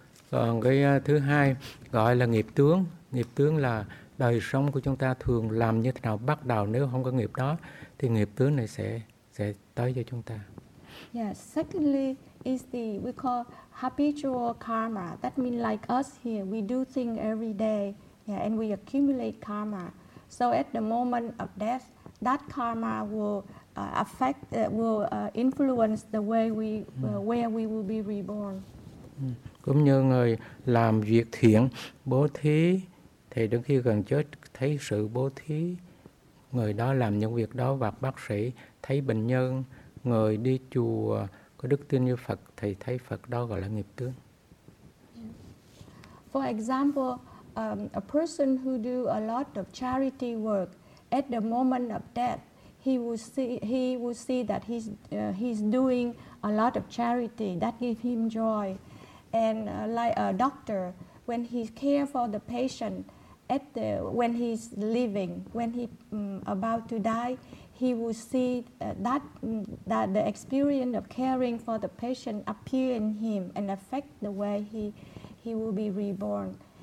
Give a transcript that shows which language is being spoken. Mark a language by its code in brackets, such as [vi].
[vi] Còn cái thứ hai gọi là nghiệp tướng. Nghiệp tướng là đời sống của chúng ta thường làm như thế nào, bắt đầu nếu không có nghiệp đó thì nghiệp tướng này sẽ tới cho chúng ta. [en] Yes, secondly is the we call habitual karma. That means like us here, we do things every day, yeah, and we accumulate karma. So at the moment of death, that karma will affect, will influence the way we where we will be reborn. [vi] Cũng như người làm việc thiện, bố thí, thì đến khi gần chết thấy sự bố thí, người đó làm những việc đó, và bác sĩ thấy bệnh nhân, người đi chùa có đức tin như Phật thì thấy Phật, đó gọi là nghiệp tướng. [en] For example, a person who do a lot of charity work, at the moment of death, he will see that he's doing a lot of charity, that gives him joy. And like a doctor, when he care for the patient, when he's living, when he about to die, he will see that the experience of caring for the patient appear in him and affect the way he will be reborn.